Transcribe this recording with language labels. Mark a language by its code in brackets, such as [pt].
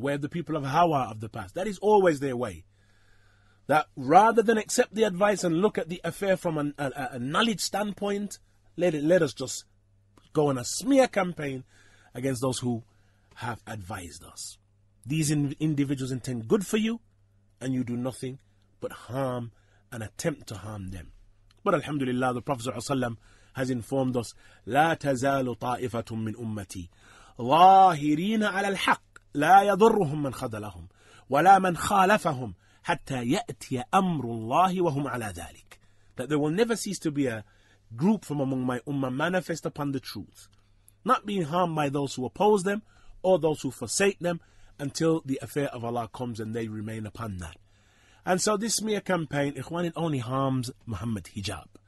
[en] the way of the people of Hawa of the past. That is always their way. That rather than accept the advice and look at the affair from a knowledge standpoint, let us just go on a smear campaign against those who have advised us. These individuals intend good for you, and you do nothing but harm and attempt to harm them. But alhamdulillah, the Prophet ﷺ has informed us, [ar] لا تزال طائفة من أمتي ظاهرين على الحق لا يضرهم من خذلهم ولا من خالفهم حتى يأتي أمر الله وهم على ذلك. [en] That there will never cease to be a group from among my ummah manifest upon the truth, not being harmed by those who oppose them or those who forsake them, until the affair of Allah comes and they remain upon that. And so this smear campaign, ikhwan, it only harms Muhammad Hijab.